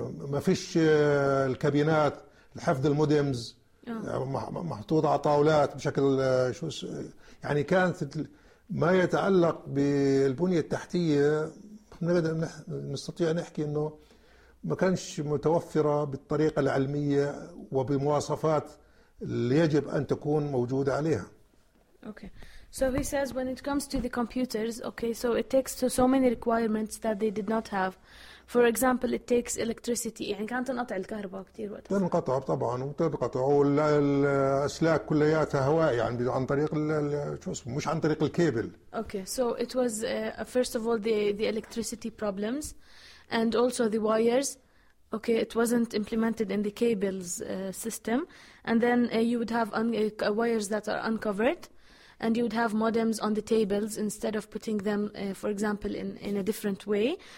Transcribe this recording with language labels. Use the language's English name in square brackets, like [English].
[Arabic] ما فيش الكابينات الحفظ المودمز محطوطة على طاولات بشكل شو يعني كانت ما يتعلق بالبنية التحتية نستطيع نحكي انه ما كانش متوفرة بالطريقة العلمية وبمواصفات اللي يجب ان تكون موجودة عليها. [English] Okay. So he says when it comes to the computers, okay, so it takes to so many requirements that they did not have. For example, it takes electricity. [Arabic] يعني كانت تنقطع الكهرباء كتير وقت. تنقطع طبعاً وتنقطع والأسلاك كلياتها هواء يعني عن طريق شو اسمه مش عن طريق الكابل. [English] Okay, so it was first of all the electricity problems, and also the wires. Okay, it wasn't implemented in the cables system, and then you would have wires that are uncovered. And you would have modems on the tables instead of putting them, for example, in a different way.